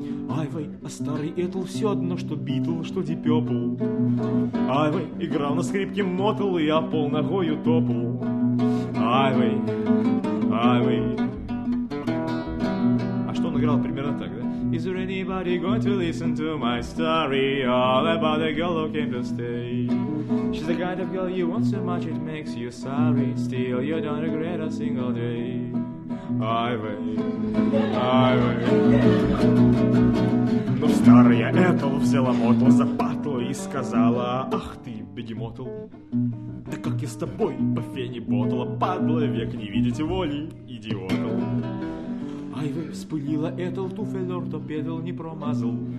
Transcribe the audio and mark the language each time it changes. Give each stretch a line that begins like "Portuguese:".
Russian: Айвай, а старый Этл все одно, что битл, что дипепл. Айвай, играл на скрипке мотл, и я пол ногою топл. Айвай, айвай. А что он играл примерно так, да?
English: Is there anybody going to listen to my story? All about a girl who came to stay. She's the kind of girl you want so much it makes you sorry. Still you don't regret a single day.
Russian: Айвай, айвай. Но старая Этл взяла мотл за батл и сказала: ах ты, бегемотл, да как я с тобой по фене ботла, падла, век не видеть воли, идиотл. Айвай, вспылила Этл туфель ортопедл, не промазал.